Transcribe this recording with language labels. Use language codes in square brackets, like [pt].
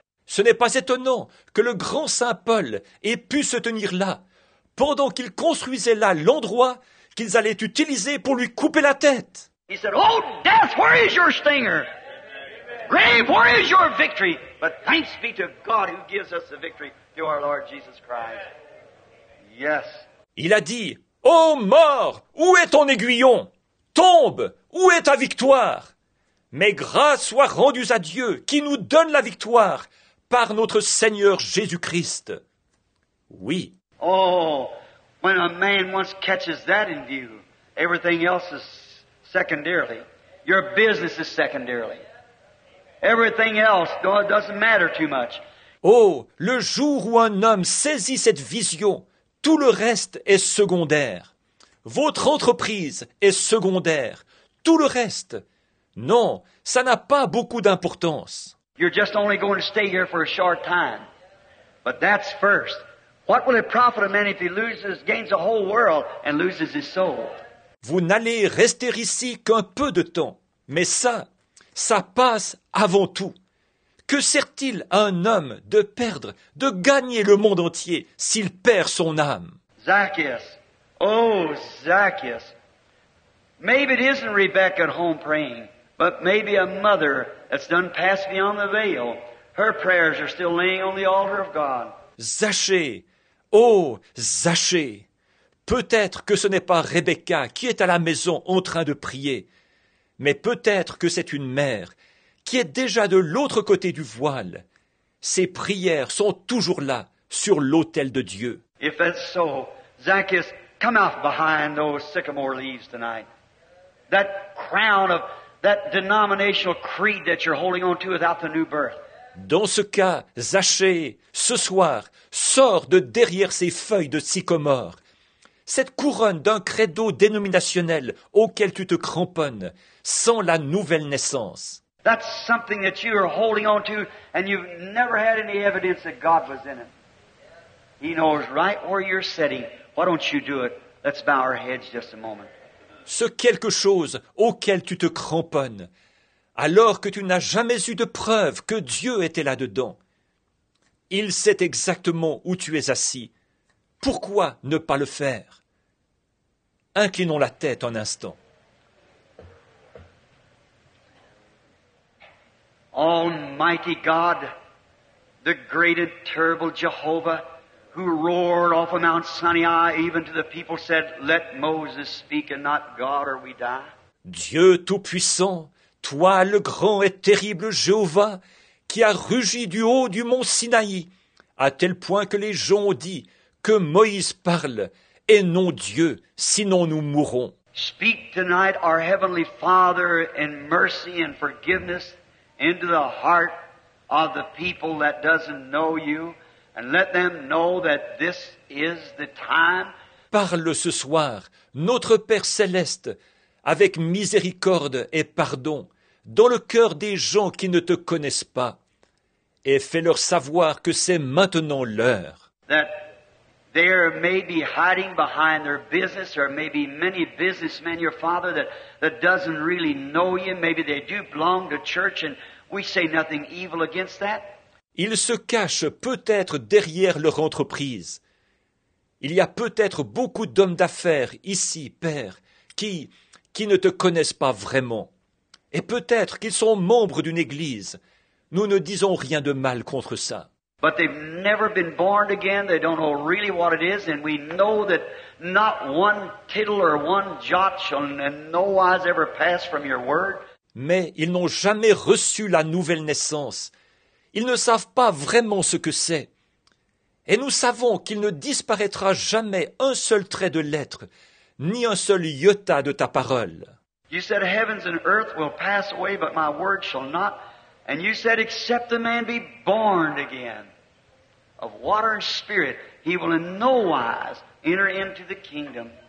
[fr] Ce n'est pas étonnant que le grand Saint Paul ait pu se tenir là, pendant qu'il construisait là l'endroit qu'ils allaient utiliser pour lui couper la tête. [en] He said, oh, death, where is your stinger? Grave, where is your victory? But thanks be to God who gives us the victory through our Lord Jesus Christ. Yes. [fr] Il a dit, oh mort, où est ton aiguillon? Tombe, où est ta victoire? Mais grâce soit rendue à Dieu qui nous donne la victoire par notre Seigneur Jésus-Christ. Oui. [en] Oh, when a man once catches that in view, everything else is secondarily. Your business is secondarily. Everything else doesn't matter too much. [fr] Oh, le jour où un homme saisit cette vision, tout le reste est secondaire. Votre entreprise est secondaire. Tout le reste, non, ça n'a pas beaucoup d'importance. [en] You're just only going to stay here for a short time. But that's first. What will it profit a man if he loses, gains the whole world and loses his soul? [fr] Vous n'allez rester ici qu'un peu de temps, mais ça, ça passe avant tout. Que sert-il à un homme de perdre, de gagner le monde entier s'il perd son âme? [en] Zacchaeus, oh Zacchaeus, maybe it isn't Rebecca at home praying, but maybe a mother that's done passed beyond the veil, her prayers are still laying on the altar of God. [fr] Zacchée, oh Zacchée, peut-être que ce n'est pas Rebecca qui est à la maison en train de prier, mais peut-être que c'est une mère qui est déjà de l'autre côté du voile. Ses prières sont toujours là, sur l'autel de Dieu. [en] If that's so, Zacchaeus, come out behind those sycamore leaves tonight. That crown of that denominational creed that you're holding on to without the new birth. [fr] Dans ce cas, Zacchée, ce soir, sors de derrière ces feuilles de sycomore. Cette couronne d'un credo dénominationnel auquel tu te cramponnes sans la nouvelle naissance. [en] That's something that you are holding on to and you've never had any evidence that God was in it. He knows right where you're sitting. Why don't you do it? Let's bow our heads just a moment. [fr] Ce quelque chose auquel tu te cramponnes alors que tu n'as jamais eu de preuve que Dieu était là-dedans. Il sait exactement où tu es assis. Pourquoi ne pas le faire? Inclinons la tête un instant. [en] Almighty God, the great and terrible Jehovah, who roared off of Mount Sinai, even to the people said, let Moses speak and not God or we die. [fr] Dieu Tout-Puissant, toi le grand et terrible Jéhovah, qui a rugi du haut du mont Sinaï, à tel point que les gens ont dit, que Moïse parle, et non Dieu, sinon nous mourrons. [en] Speak tonight, our heavenly Father, in mercy and forgiveness into the heart of the people that doesn't know you, and let them know that this is the time. [fr] Parle ce soir, notre Père Céleste, avec miséricorde et pardon, dans le cœur des gens qui ne te connaissent pas, et fais-leur savoir que c'est maintenant l'heure. [en] That they may be hiding behind their business, or maybe many businessmen, your father, that doesn't really know you. Maybe they do belong to church, and we say nothing evil against that. [fr] Ils se cachent peut-être derrière leur entreprise. Il y a peut-être beaucoup d'hommes d'affaires ici, Père, qui ne te connaissent pas vraiment. Et peut-être qu'ils sont membres d'une église. Nous ne disons rien de mal contre ça. [en] But they've never been born again. They don't know really what it is. And we know that not one tittle or one jot shall in no wise ever pass from your word. [fr] Mais ils n'ont jamais reçu la nouvelle naissance. Ils ne savent pas vraiment ce que c'est. Et nous savons qu'il ne disparaîtra jamais un seul trait de lettre, ni un seul iota de ta parole. [en] You said heavens and earth will pass away, but my word shall not. And you said, except the man be born again of water and spirit, he will in no wise enter into the kingdom.